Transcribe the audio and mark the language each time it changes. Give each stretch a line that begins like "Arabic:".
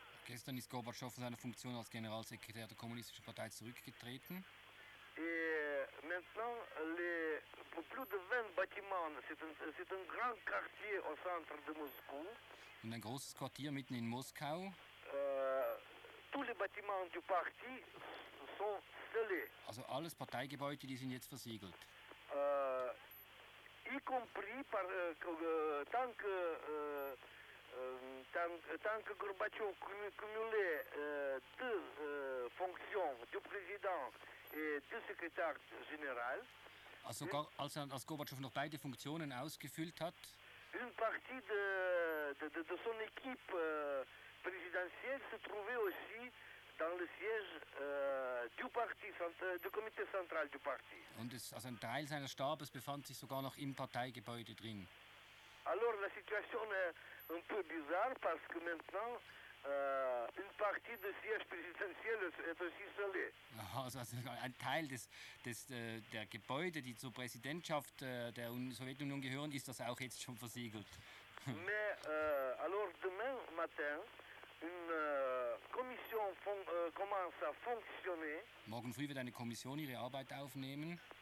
German: Gestern ist Gorbatschow von seiner Funktion als Generalsekretär der Kommunistischen Partei zurückgetreten.
French: Et maintenant, plus de 20 bâtiments, c'est un grand quartier au centre de Moscou.
German: Und ein großes Quartier mitten in Moskau.
French: Tous les bâtiments du parti sont scellés.
German: Also alles Parteigebäude, die sind jetzt versiegelt.
French: Y compris par, tant que... Tant que Gorbatschow cumulait deux fonctions de président et de secrétaire général,
German: als Gorbatschow noch beide Funktionen ausgefüllt hat,
French: une partie de son équipe présidentielle se trouvait aussi dans le siège du parti, du Comité Central du Parti.
German: Und es, also ein Teil seines Stabes befand sich sogar noch im Parteigebäude drin.
French: Alors la situation est un peu bizarre parce que maintenant une partie du siège présidentiel est aussi isolée.
German: Also ein Teil der Gebäude, die zur Präsidentschaft der Sowjetunion gehören, ist das auch jetzt schon versiegelt.
French: Mais alors demain matin, une commission commence à fonctionner.
German: Morgen früh wird eine Kommission ihre Arbeit aufnehmen.